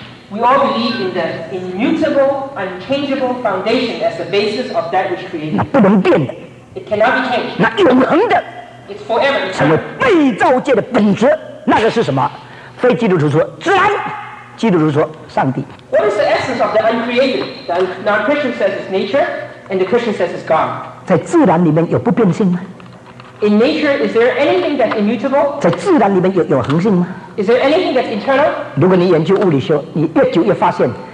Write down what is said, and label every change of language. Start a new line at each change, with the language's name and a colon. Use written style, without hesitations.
English: We all believe in the immutable, unchangeable foundation as the basis of that which created.
Chinese: 那不能变的。
English: It cannot be changed.
Chinese: 那永恒的。
English: It's forever.
Chinese: 成为被造界的本质，那个是什么？非基督徒说自然，基督徒说上帝。
English: What is the essence of the uncreated? The non-Christian says it's nature, and the Christian says it's God.
Chinese: 在自然里面有不变性吗？
English: In nature, is there anything that's immutable?
Chinese: 在自然里面有恒性吗？
English: Is there anything that's eternal?
Chinese: 如果你研究物理学，你越久越发现。